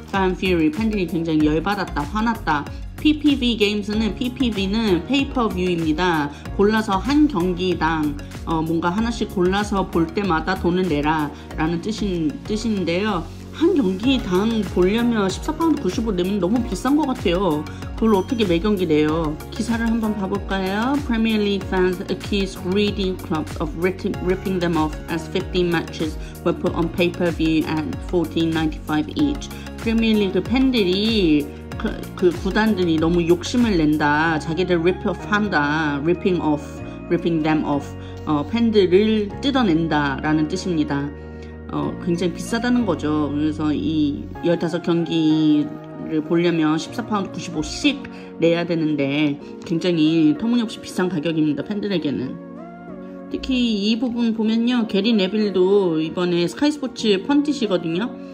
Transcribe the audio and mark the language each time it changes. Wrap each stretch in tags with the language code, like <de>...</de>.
<en>Fan Fury,</en> <ko>팬들이 굉장히 열받았다, 화났다. PPV Games는 PPV는 페이퍼뷰입니다. 골라서 한 경기당 뭔가 하나씩 골라서 볼 때마다 돈을 내라라는 뜻인데요. 한 경기당 보려면 14파운드 95 내면 너무 비싼 것 같아요. 그걸 어떻게 매경기 내요? 기사를 한번 봐볼까요?</ko> <en>Premier League fans accuse greedy clubs of ripping them off as 15 matches were put on pay-per-view at $14.95 each.</en> <ko>프리미어리그 팬들이 그 구단들이 너무 욕심을 낸다. 자기들 rip-off 한다.</ko> <en>ripping off, ripping them off.</en> <ko>팬들을 뜯어낸다라는 뜻입니다. 굉장히 비싸다는 거죠. 그래서 이 15경기를 보려면 14파운드 95씩 내야 되는데, 굉장히 터무니없이 비싼 가격입니다, 팬들에게는. 특히 이 부분 보면요. 게리 네빌도 이번에 스카이 스포츠 펀딧이거든요.</ko>